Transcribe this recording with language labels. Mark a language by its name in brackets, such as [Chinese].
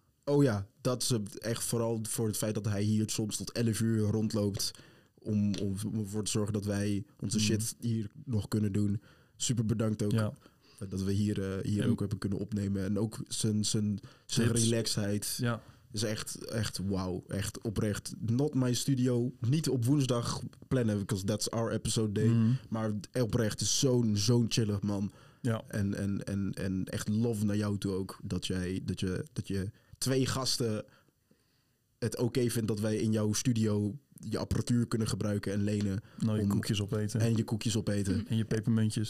[Dutch] Oh ja, dat is echt vooral voor het feit dat hij hier soms tot 11 uur rondloopt. Om ervoor te zorgen dat wij onze shit hier nog kunnen doen. Super bedankt ook dat we hier ook hebben kunnen opnemen. En ook zijn relaxheid is echt wauw. Echt oprecht. [English] Not my studio. [Dutch] Niet op woensdag plannen, [English] because that's our episode day. [Dutch] Mm-hmm. Maar oprecht is zo'n chillig man. Ja. En echt love naar jou toe ook. Dat je twee gasten het oké vindt dat wij in jouw studio je apparatuur kunnen gebruiken en lenen. Nou, je koekjes opeten. En je koekjes opeten. En je pepermuntjes.